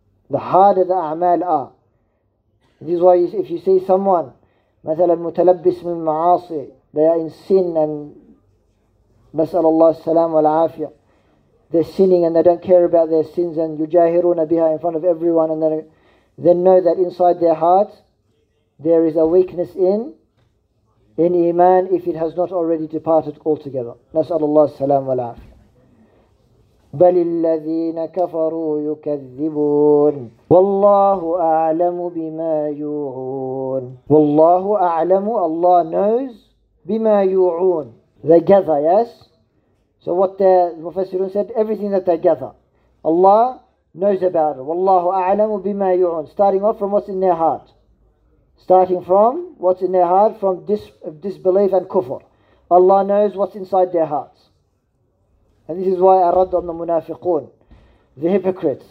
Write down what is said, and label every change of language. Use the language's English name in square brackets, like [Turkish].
[English] The harder the a'mal are. This is why if you see someone, [Arabic] مثلا متلبس من معاصي, [English] they are in sin and [Arabic] نسأل الله السلام والعافية. [English] They're sinning and they don't care about their sins and [Arabic] يجاهرون بها [English] in front of everyone, and then know that inside their heart there is a weakness in iman if it has not already departed altogether. [Arabic] نسأل الله السلام والعافية. بل الذين كفروا يكذبون والله أعلم بما يوعون والله أعلم [English] Allah knows [Arabic] بِمَا يُوعُونَ [English] They gather, yes? So what the Mufassirun said, everything that they gather, Allah knows about it. [Arabic] وَاللَّهُ أَعْلَمُ بِمَا يُوعُونَ [English] Starting off from what's in their heart. Starting from what's in their heart, from disbelief and kufr. Allah knows what's inside their hearts. And this is why I رَدْ on the munafiqun, the hypocrites.